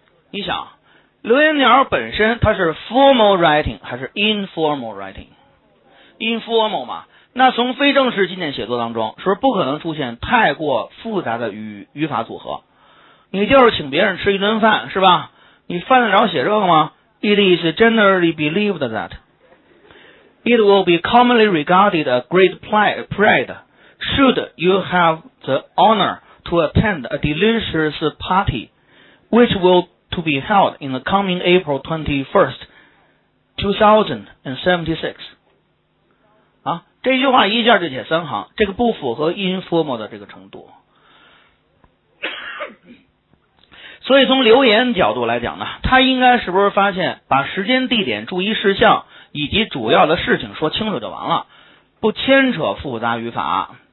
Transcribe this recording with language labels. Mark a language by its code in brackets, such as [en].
[zh] 你想，留言条本身它是 [en] formal writing [zh] 还是 [en] informal writing？ [zh] informal 嘛，那从非正式信件写作当中，是不是不可能出现太过复杂的语法组合？你就是请别人吃一顿饭，是吧？你犯得着写这个吗？ [en] It is generally believed that it will be commonly regarded a great pride should you have the honor to attend a delicious party, which will to be held in the coming April 21st, 2076。 [zh] 啊，这句话一下就写三行，这个不符合 informal 的这个程度。所以从留言角度来讲呢，他应该是不是发现把时间、地点、注意事项以及主要的事情说清楚就完了，不牵扯复杂语法。